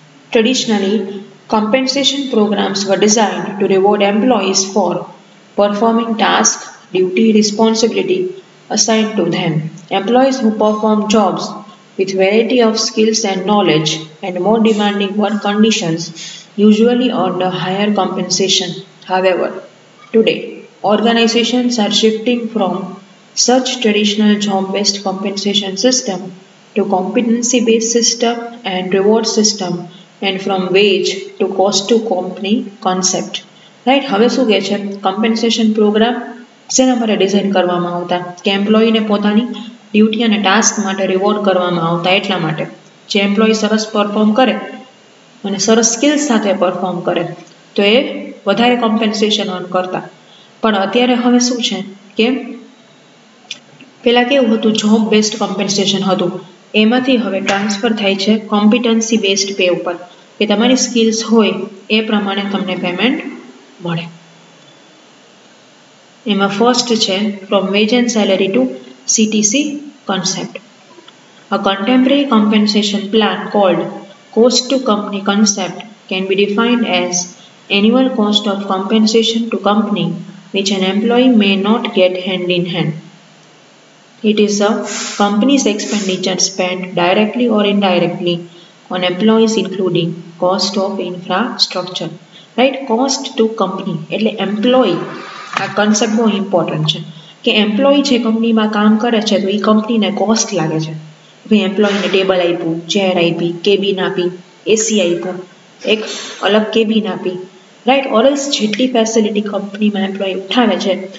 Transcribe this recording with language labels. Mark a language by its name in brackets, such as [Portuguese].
[English] Traditionally compensation programmes were designed to reward employees for performing task, duty, responsibility assign to them. Employees who perform jobs with variety of skills and knowledge and more demanding work conditions usually earn a higher compensation. However, today organizations are shifting from such traditional job-based compensation system to competency-based system and reward system, and from wage to cost to company concept. [Gujarati] Right? હવે શું કહે છે? Compensation programme જેના માટે design કરવામાં આવતા કે એમ્પ્લોયીને પોતાની ડ્યુટી અને ટાસ્ક માટે રિવોર્ડ કરવામાં આવતા, એટલા માટે જે એમ્પ્લોયી સરસ પરફોર્મ કરે અને સરસ સ્કિલ્સ સાથે પરફોર્મ કરે તો એ વધારે કોમ્પેન્સેશન અર્ન કરતા. પણ અત્યારે હવે શું છે કે પહેલાં કેવું હતું? જોબ બેસ્ડ કોમ્પેન્સેશન હતું, એમાંથી હવે ટ્રાન્સફર થાય છે કોમ્પિટન્સી બેસ્ડ પે ઉપર, કે તમારી સ્કિલ્સ હોય એ પ્રમાણે તમને પેમેન્ટ મળે. એમાં ફર્સ્ટ છે [English] From wage and salary to CTC concept. A contemporary compensation plan called cost to company concept can be defined as annual cost of compensation to company which an employee may not get hand in hand. It is a company's expenditure spent directly or indirectly on employees including cost of infrastructure. Right? [Gujarati] Cost to company એટલે employee. આ concept બહુ important છે કે employee જે કંપનીમાં કામ કરે છે તો એ કંપનીને cost લાગે છે. ભાઈ એમ્પ્લોયીને ટેબલ આપ્યું, ચેર આપી, કેબિન આપી, એસી આપ્યું, એક અલગ કેબિન આપી, રાઈટ? ઓર એલ્સ જેટલી ફેસિલિટી કંપનીમાં એમ્પ્લોયી ઉઠાવે છે